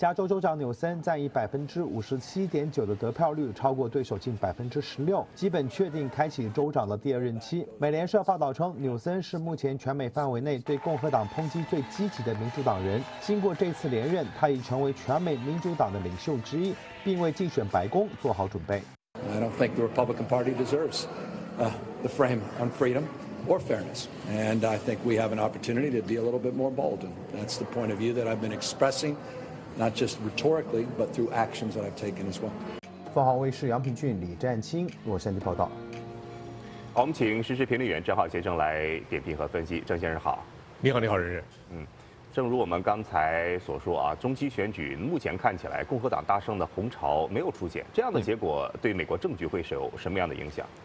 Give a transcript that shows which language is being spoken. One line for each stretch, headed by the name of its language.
Chinese: 加州州长纽森占以57.9%的得票率，超过对手近16%，基本确定开启州长的第二任期。美联社报道称，纽森是目前全美范围内对共和党抨击最积极的民主党人。经过这次连任，他已成为全美民主党的领袖之一，并为竞选白宫做好准备。
English: I don't think the Republican Party deserves the frame on freedom or fairness. And I think we have an opportunity to be a little bit more bold. And that's the point of view that I've been expressing, not just rhetorically, but through actions that I've taken as well.
Chinese: 凤凰卫视杨平俊、李占清，洛杉矶报道。好，我们请时事评论员郑浩先生来点评和分析。郑先生好。你好，你好，任任。正如我们刚才所说啊，中期选举目前看起来共和党大胜的红潮没有出现，这样的结果对美国政局会是有什么样的影响？